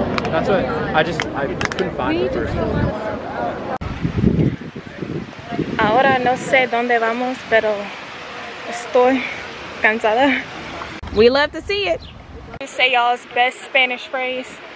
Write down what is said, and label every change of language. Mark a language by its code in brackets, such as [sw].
[en] That's what I couldn't find the first one. [es] Ahora no sé dónde vamos, pero estoy cansada. [en] We love to see it. You say y'all's best Spanish phrase.